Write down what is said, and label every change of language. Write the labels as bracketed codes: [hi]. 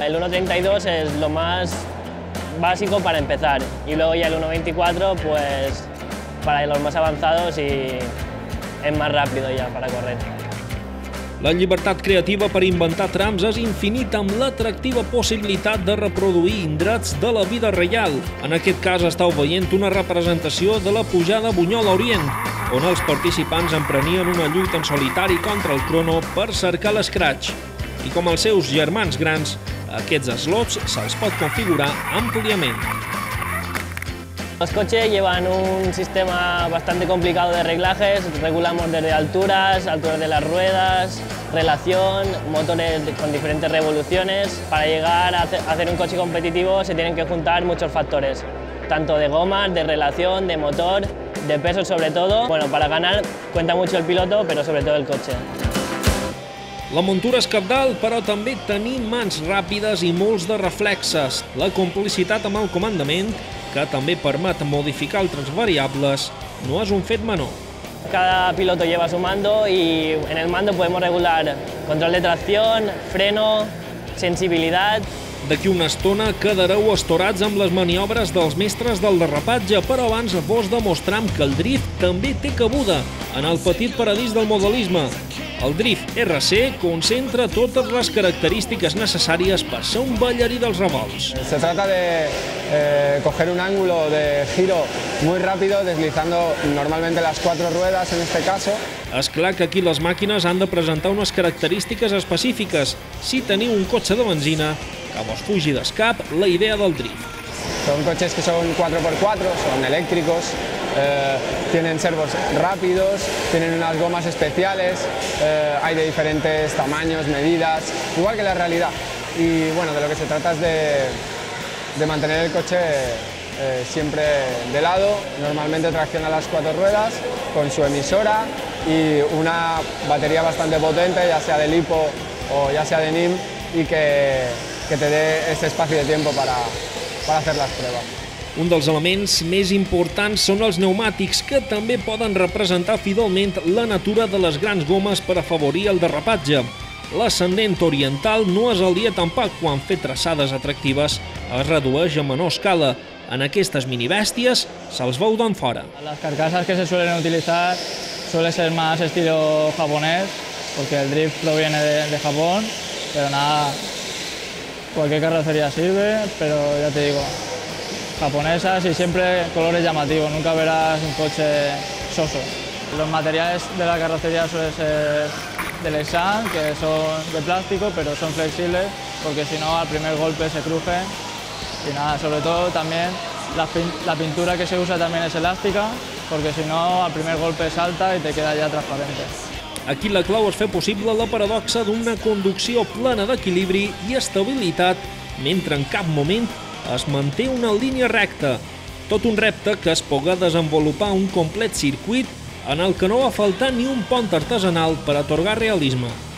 [es] El 1.32 és lo más básico para empezar. Y luego ya el 1.24, pues, para los más avanzados y es más rápido ya para correr. [ca] La llibertat creativa per inventar trams és infinita, amb l'atractiva possibilitat de reproduir indrets de la vida reial. En aquest cas, estàu veient una representació de la pujada Bunyola Orient, on els participants emprenien una lluita en solitari contra el crono per cercar l'escratx. I com els seus germans grans, aquests slots se'ls pot configurar àmpliament. [es] Los coches llevan un sistema bastante complicado de reglajes, regulamos desde alturas, alturas de las ruedas, relación, motores con diferentes revoluciones. Para llegar a hacer un coche competitivo se tienen que juntar muchos factores, tanto de gomas, de relación, de motor, de peso sobre todo. Bueno, para ganar cuenta mucho el piloto, pero sobre todo el coche. [ca] La muntura és cabdal, però també tenir mans ràpides i molts de reflexes. La complicitat amb el comandament, que també permet modificar altres variables, no és un fet menor. [es] Cada piloto lleva su mando y en el mando podemos regular control de tracción, freno, sensibilidad... [ca] D'aquí una estona quedareu estorats amb les maniobres dels mestres del derrapatge, però abans vos demostram que el drift també té cabuda en el petit paradís del modelisme. El Drift RC concentra totes les característiques necessàries per ser un ballarí dels revolts. [es] Se trata de coger un ángulo de giro muy rápido, deslizando normalmente las cuatro ruedas en este caso. [ca] És clar que aquí les màquines han de presentar unes característiques específiques. Si teniu un cotxe de benzina, que vos fugi d'escap la idea del Drift. [es] Son coches que son 4x4, son eléctricos, tienen servos rápidos, tienen unas gomas especiales, hay de diferentes tamaños, medidas, igual que la realidad. Y bueno, de lo que se trata es de mantener el coche siempre de lado, normalmente tracción a las cuatro ruedas, con su emisora y una batería bastante potente, ya sea de lipo o ya sea de NIM, y que te dé ese espacio de tiempo para hacer las pruebas. [ca] Un dels elements més importants són els pneumàtics, que també poden representar fidelment la natura de les grans gomes per afavorir el derrapatge. L'ascendent oriental no és el dia tampoc quan fer traçades atractives es redueix a menor escala. En aquestes minibèsties se'ls veu d'on fora. [es] Las carcasas que se suelen utilizar suele ser más estilo japonés, porque el drift proviene de Japón, pero nada, cualquier carrocería sirve, pero ya te digo, japonesas y siempre colores llamativos, nunca verás un coche soso. Los materiales de la carrocería suelen ser del Exam, que son de plástico, pero son flexibles, porque si no, al primer golpe se crujen. Y nada, sobre todo también la pintura que se usa también es elástica, porque si no, al primer golpe salta y te queda ya transparente. [ca] Aquí la clau és fer possible la paradoxa d'una conducció plena d'equilibri i estabilitat, mentre en cap moment es manté una línia recta. Tot un repte que es pogué desenvolupar un complet circuit en el que no va faltar ni un pont artesanal per atorgar realisme.